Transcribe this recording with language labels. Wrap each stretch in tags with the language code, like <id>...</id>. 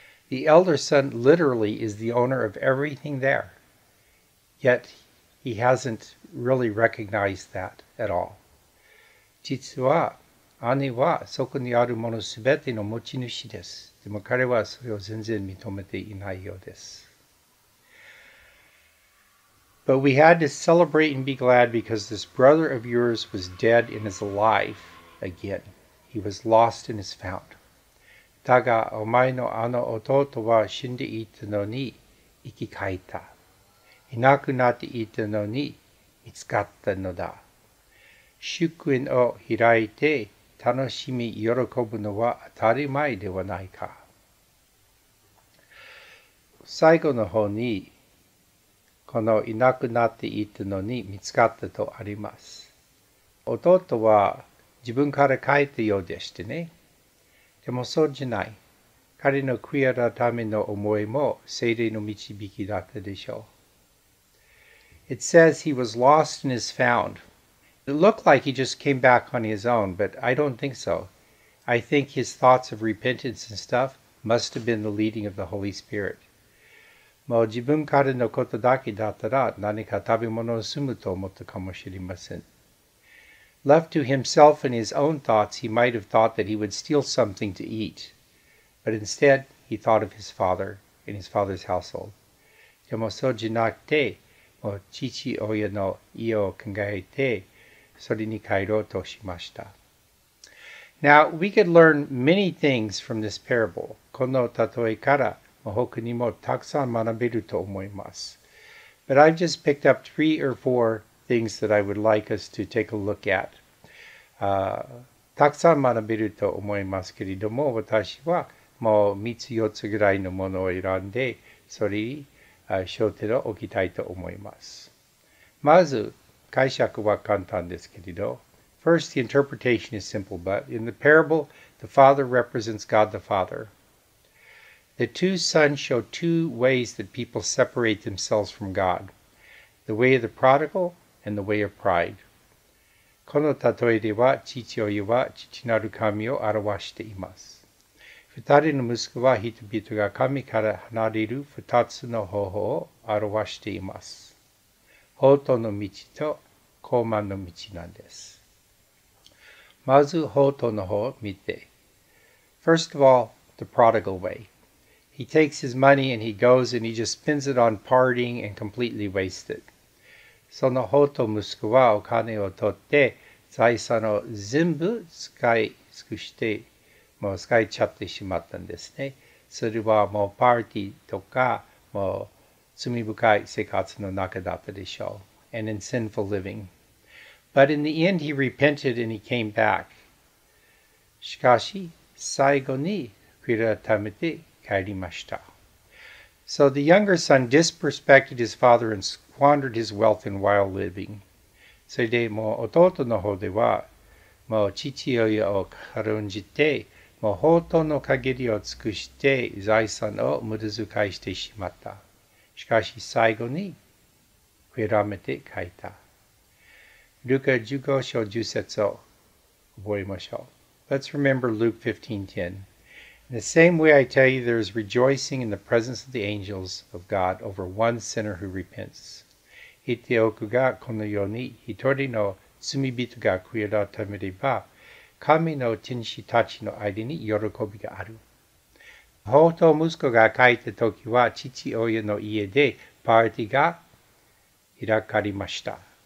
<en>The elder son literally is the owner of everything there, yet he hasn't really recognized that at all.</en> <ja>実は、兄はそこにあるものすべての持ち主です。でも彼はそれを全然認めていないようです。</ja> <en>But we had to celebrate and be glad because this brother of yours was dead and is alive again. He was lost and is found.</en> <ja>だが、お前のあの弟は死んでいたのに生き返った。いなくなっていたのに見つかったのだ。祝宴を開いて楽しみ喜ぶのは当たり前ではないか。最後の方にこのいなくなっていたのに見つかったとあります。弟は自分から帰ったようでしてね。でもそうじゃない。彼の悔い改めの思いも聖霊の導きだったでしょう。</ja> <en>It says he was lost and is found. It looked like he just came back on his own, but I don't think so. I think his thoughts of repentance and stuff must have been the leading of the Holy Spirit.</en> <ja>もう自分からのことだけだったら何か食べ物を済むと思ったかもしれません。</ja> <en>Left to himself and his own thoughts, he might have thought that he would steal something to eat. But instead, he thought of his father and his father's household.</en> <ja>でもそうじゃなくて、もう父親の家を考えて、それに帰ろうとしました。</ja> <en>Now, we could learn many things from this parable.</en> <ja>この例えから、もう他にもたくさん学べると思います。</ja> <en>But I've just picked up three or four things that I would like us to take a look at.</en> <ja>たくさん学べると思いますけれども、私はもう3つ4つぐらいのものを選んで、それに焦点を置きたいと思います。まず、解釈は簡単ですけれど、</ja> <en>First, the interpretation is simple, but in the parable, the father represents God the Father. The two sons show two ways that people separate themselves from God, the way of the prodigal and the way of pride.</en> <ja>この例えでは、父親は父なる神を表しています。二人の息子は人々が神から離れる二つの方法を表しています。法との道と高慢の道なんです。まず、放蕩の方を見て。</ja> <en>First of all, the prodigal way. He takes his money and he goes and he just spends it on partying and completely wastes it.</en> <ja>その放蕩息子はお金を取って財産を全部使い尽くして、もう使いちゃってしまったんですね。それはもうパーティーとか、もう罪深い生活の中だったでしょう。</ja> <en>And in sinful living. But in the end, he repented and he came back.</en> <ja>しかし、最後に悔い改めて帰りました。</ja> <en>So the younger son disrespected his father and squandered his wealth in wild living.</en> <ja>それでもう弟の方では、もう父親を軽んじて、もう放蕩の限りを尽くして財産を無駄遣いしてしまった。しかし、最後に悔い改めて帰った。ルカ15章10節を覚えましょう。</ja> <en>Let's remember Luke 15:10. In the same way I tell you, there is rejoicing in the presence of the angels of God over one sinner who repents.</en> <ja>言っておくが、このように一人の罪人が悔い改めれば、神の天使たちの間に喜びがある。放蕩息子が帰った時は、父親の家でパーティーが開かれました。</ja>